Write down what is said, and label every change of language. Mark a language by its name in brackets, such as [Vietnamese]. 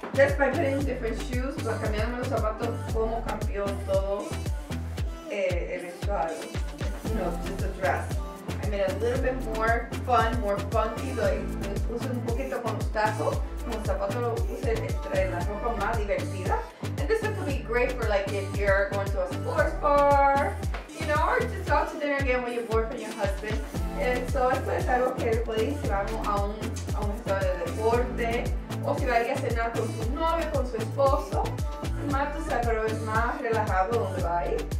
[English] Just by getting different shoes, [Spanish] pues cambiándome los zapatos, como cambió todo el vestuario. [English] You know, just a dress. I made it a little bit more fun, more funky, like, [Spanish] me puse un poquito con los tacos, con los zapatos lo puse en la ropa más divertida. [English] This is going to be great for like if you're going to a sports bar, you know, or just out to dinner again with your boyfriend, your husband. And so [Spanish] esto es algo que puedes llevar a un estado de deporte, o si vas a cenar con tu novio, con su esposo, más tú sabes, pero es más relajado donde va a ir.